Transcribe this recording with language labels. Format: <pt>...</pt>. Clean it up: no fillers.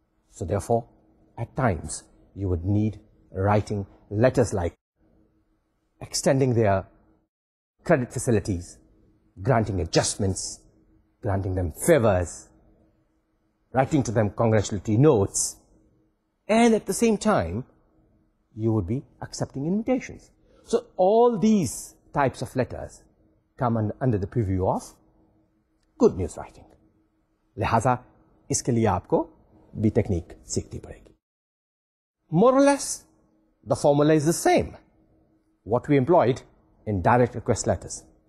<en>So therefore, at times, you would need writing letters like extending their credit facilities, granting adjustments, granting them favors, writing to them congratulatory notes, and at the same time, you would be accepting invitations. So all these types of letters come under the preview of good news writing.</en> <ur>لہذا اس کے لیے آپ کو بھی technique سیکھنی پڑے گی.</ur> <en>More or less, the formula is the same what we employed in direct request letters.</en>